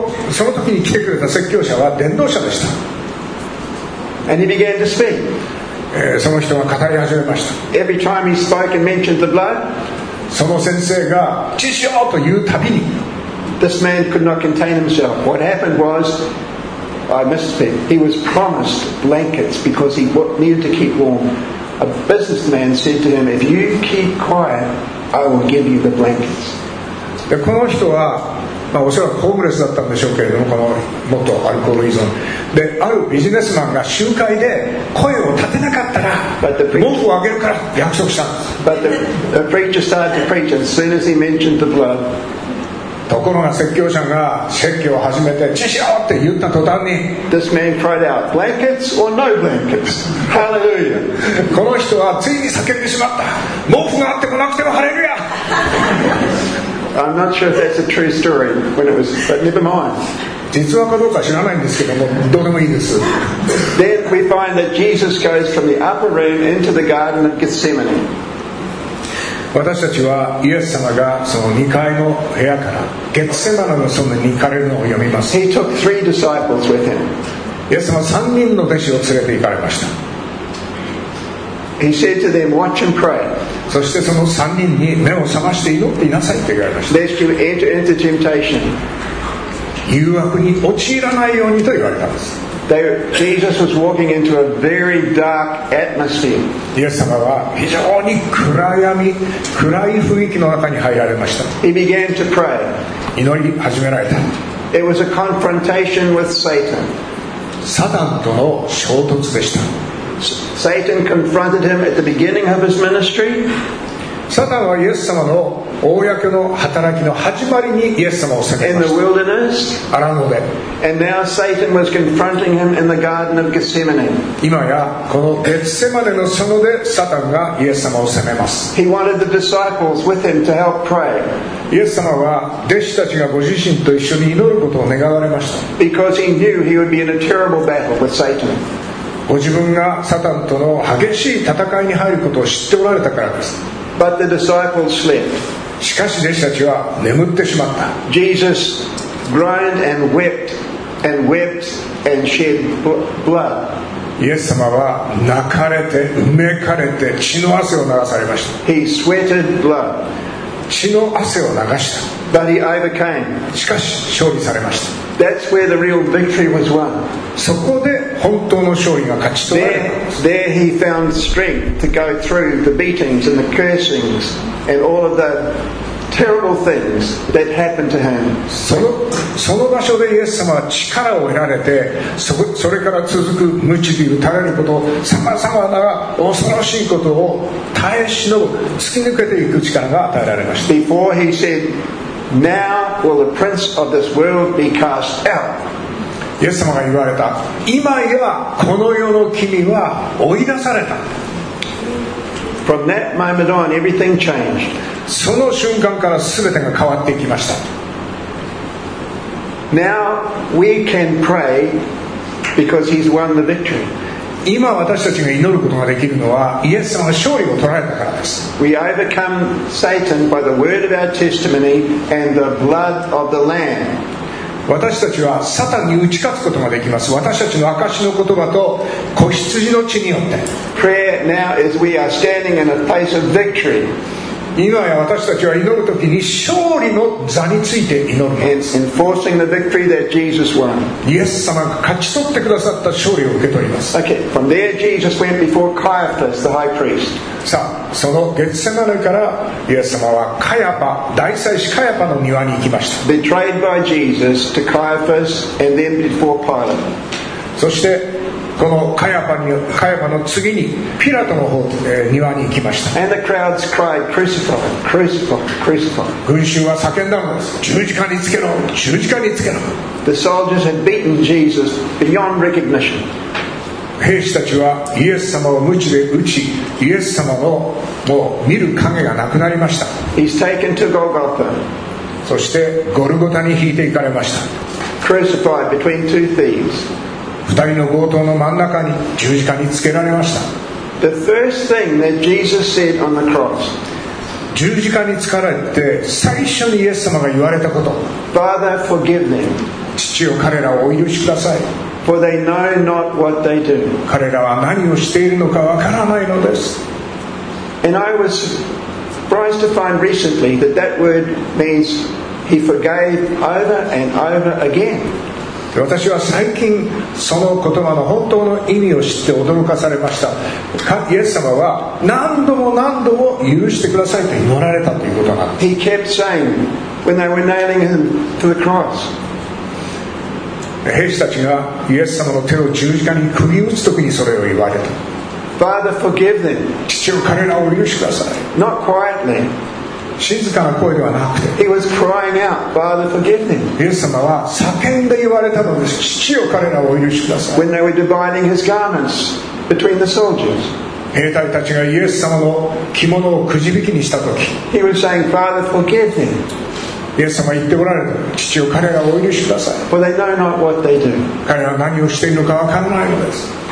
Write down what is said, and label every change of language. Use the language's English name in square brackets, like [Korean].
[Japanese] その時に来てくれた説教者は伝道者でした。 [English] And he began to speak. [Japanese] その人が語り始めました。 [English] Every time he spoke and mentioned the blood, [Japanese] その先生が血潮というたびに、 [English] This man could not contain himself. What happened was,I missed it. He was promised blankets because he needed to keep warm. A businessman said to him, "If you keep quiet, I will give you the blankets." [Japanese] で、この人は、まあ、おそらくホームレスだったんでしょうけれども、この元アルコール依存で、あるビジネスマンが集会で声を立てなかったら毛布をあげるから約束したんです。 [English] But the preacher started to preach as soon as he mentioned the blood. [Japanese] ところが説教者が説教を始めて血潮って言った途端に、 [English] This man cried out, blankets or no blankets? Hallelujah. [Japanese] この人はついに叫んでしまった。毛布があってもなくてもハレルヤ。 [English] I'm not sure if that's a true story when it was, but never mind. [Japanese] 実話かどうか知らないんですけども、どうでもいいです。 [English] Then we find that Jesus goes from the upper room into the Garden of Gethsemane. [Japanese] 私たちはイエス様がその2階の部屋からゲッセマネの園に行かれるのを読みます。 [English] He took three disciples with him. [Japanese] イエス様は3人の弟子を連れて行かれました。 [English] He said to them, watch and pray. [Japanese] そしてその3人に目を覚まして祈っていなさいって言われました。 [English] Lest you enter into temptation. [Japanese] 誘惑に陥らないようにと言われたんです。 [English] Jesus was walking into a very dark atmosphere. [Japanese] イエス様は非常に暗い雰囲気の中に入られました。 [English] He began to pray. [Japanese] 祈り始められた。 [English] It was a confrontation with Satan. [Japanese] サタンとの衝突でした。 [English] Satan confronted him at the beginning of his ministry. [Japanese] サタンはイエス様の公の働きの始まりにイエス様を避けました。 [English] In the wilderness. [Japanese] アラノで。 [English] And now Satan was confronting him in the Garden of Gethsemane. [Japanese] 今やこのゲッセマネの園でサタンがイエス様を責めます。 [English] He wanted the disciples with him to help pray. [Japanese] イエス様は弟子たちがご自身と一緒に祈ることを願われました。 [English] Because he knew he would be in a terrible battle with Satan. [Japanese] ご自分がサタンとの激しい戦いに入ることを知っておられたからです。 [English] But the disciples slept. [Japanese] しかし弟子たちは眠ってしまった。 [English] Jesus groaned and wept and wept and shed blood. [Japanese] イエス様は泣かれてうめかれて血の汗を流されました。 [English] He sweated blood. [Japanese] 血の汗を流した。 [English] But he overcame. [Japanese] しかし勝利されました。 [English] That's where the real victory was won. [Japanese] そこで本当の勝利が勝ち取られた。 [English] There he found strength to go through the beatings and the cursings and all of the terrible things that happened to him. [Japanese] その場所でイエス様は力を得られて、それから続く鞭で打たれること、さまざまな恐ろしいことを耐え忍ぶ、突き抜けていく力が与えられました。 [English] Before he said,Now will the prince of this world be cast out? [Japanese] イエス様が言われた。今やこの世の君は追い出された。 [English] From that moment on, everything changed. [Japanese] その瞬間から全てが変わっていきました。 [English] Now we can pray because he's won the victory. [Japanese] 今私たちが祈ることができるのはイエス様が勝利を取られたからです。 [English] We overcome Satan by the word of our testimony and the blood of the Lamb. [Japanese] 私たちはサタンに打ち勝つことができます。私たちの証しの言葉と子羊の血によって。 [English] Prayer now is we are standing in a place of victory. [Japanese] 今や私たちは祈るときに勝利の座について祈る。 [English] Hence enforcing the victory that Jesus won. [Japanese] イエス様が勝ち取ってくださった勝利を受け取ります。 [English] Okay, from there Jesus went before Caiaphas, the high priest. [Japanese] さあ、そのゲッセマネからイエス様はカヤパ、大祭司カヤパの庭に行きました。 [English] Betrayed by Jesus to Caiaphas and then before Pilate. [Japanese] そしてこのカヤパの次にピラトの方、庭に行きました。 [English] And the crowds cried, crucify, crucify, crucify. [Japanese] 群衆は叫んだのです。十字架につけろ、十字架につけろ。 [English] The soldiers had beaten Jesus beyond recognition. [Japanese] 兵士たちはイエス様を鞭で打ち、イエス様のもう見る影がなくなりました。 [English] He's taken to Golgotha. [Japanese] そしてゴルゴタに引いていかれました。 [English] Crucified between two thieves. [Japanese] 二人の強盗の真ん中に十字架につけられました。 [English] The first thing that Jesus said on the cross. [Japanese] 十字架につかられて最初にイエス様が言われたこと。 [English] Father, forgive them. [Japanese] 父よ、彼らをお許しください。 [English] For they know not what they do. [Japanese] 彼らは何をしているのかわからないのです。 [English] And I was surprised to find recently that that word means he forgave over and over again. [Japanese] 私は最近その言葉の本当の意味を知って驚かされました。イエス様は何度も何度も許してくださいと祈られたということなんです。 [English] He kept saying when they were nailing him to the cross. [Japanese] 兵士たちがイエス様の手を十字架に釘打つときにそれを言われた。 [English] Father, forgive them. [Japanese] 父よ、彼らを許してください。 [English] Not quietly. [Japanese] 静かな声ではなくて、 [English] He was crying out, Father, forgive them. [Japanese] イエス様は叫んで言われたのです。父よ、彼らをお許しください。 [English] When they were dividing his garments between the soldiers. [Japanese] 兵隊たちがイエス様の着物をくじ引きにした時、 [English] He was saying, Father, forgive them. [Japanese] イエス様は言っておられた。父よ、彼らをお許しください。 [English] For they know not what they do. [Japanese] 彼らは何をしているのか分からないのです。